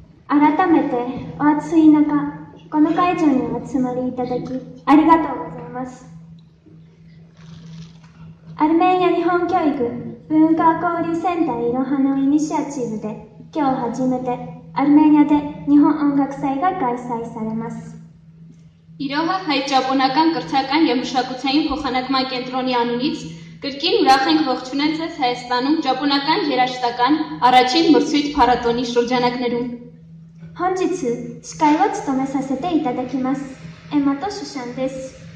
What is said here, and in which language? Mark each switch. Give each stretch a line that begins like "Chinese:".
Japanese: 改めてお暑い中、この会場にお集まりいただきありがとうございます。アルメニア日本教育文化交流センターイロハのイニシアチブで、今日初めてアルメニアで日本音楽祭が開催されます。
Armenian: イロハ հայ ճապոնական կրթական և մշակութային փոխանակման կենտրոնի անունից կրկին ուրախ ենք ողջունել ձեզ Հայաստանում ճապոնական երաժշտական առաջին մրցույթ փառատոնի շրջանակներում։
Japanese: 本日、司会を務めさせていただきます。エマとシュシャンです。